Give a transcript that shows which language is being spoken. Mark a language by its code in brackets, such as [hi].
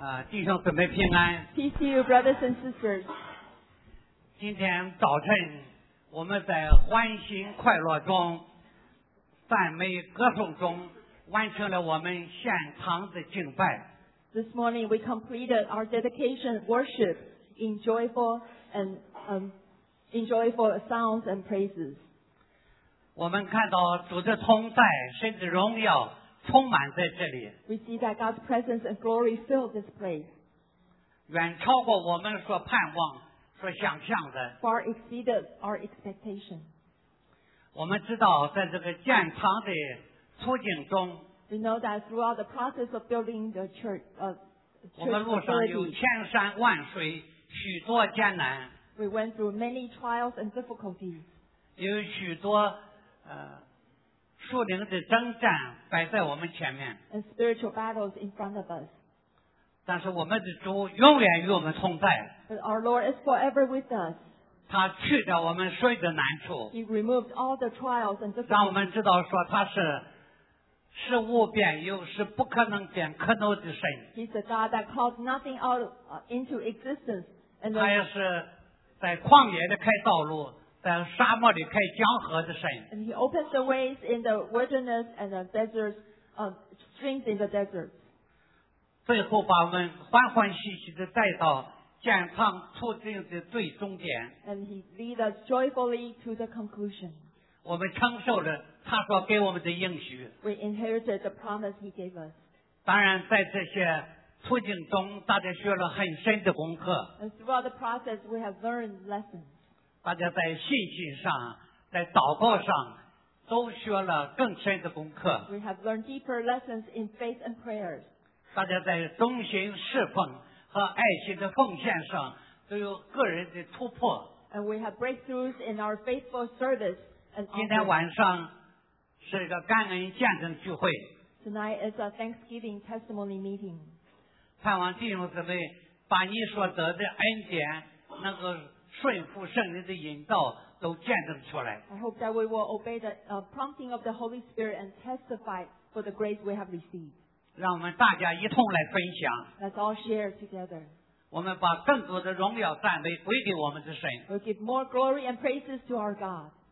[zh] 弟兄准备平安。 [en] Peace to you, brothers and sisters. [zh] 今天早晨我们在欢欣快乐中、赞美歌颂中，完成了我们献堂的敬拜。 [en] This morning we completed our dedication worship in joyful and in joyful sounds and praises. [zh] 我们看到主的同在，甚至荣耀充满在这里。 [en] We see that God's presence and glory fill this place. [zh] 远超过我们所盼望、所想象的。 [en] Far exceeded our expectation. [zh] 我们知道，在这个建堂的处境中。 [en] We know that throughout the process of building the church, [zh] church 我们路上有千山万水，许多艰难。 [en] We went through many trials and difficulties. [zh] 有许多属灵的征战摆在我们前面。 [en] And spiritual battles in front of us. [zh] 但是我们的主永远与我们同在。 [en] But our Lord is forever with us. [zh] 他去掉我们所有的难处。 [en] He removed all the trials and difficulties. [zh] 让我们知道说他是。是无变有，是不可能变可能的神。 [en] He's a God that calls nothing out into existence. And [zh] 他也是在旷野的开道路，在沙漠里开江河的神。 [en] And he opens the ways in the wilderness and the desert, streams in the desert. [zh] 最后把我们欢欢喜喜的带到建堂处境的最终点。 [en] And he leads us joyfully to the conclusion. [zh] 我们承受了。他说给我们的应许。 [en] We inherited the promise he gave us. [zh] 当然在这些处境中大家学了很深的功课。 [en] And throughout the process, we have learned lessons. [zh] 大家在信心上在祷告上都学了更深的功课。 [en] We have learned deeper lessons in faith and prayers. [zh] 大家在忠心侍奉和爱心的奉献上都有个人的突破。 [en] And we have breakthroughs in our faithful service. And [zh] 今天晚上是一个感恩见证聚会。 [en] Tonight is a Thanksgiving testimony meeting. [zh] 盼望弟兄姊妹把你所得的恩典，能够顺服圣灵的引导，都见证出来。 [en] I hope that we will obey the prompting of the Holy Spirit and testify for the grace we have received. [zh] 让我们大家一同来分享。 [en] Let's all share together. [zh] 我们把更多的荣耀赞美归给我们的神。 [en] We'll give more glory and praises to our God.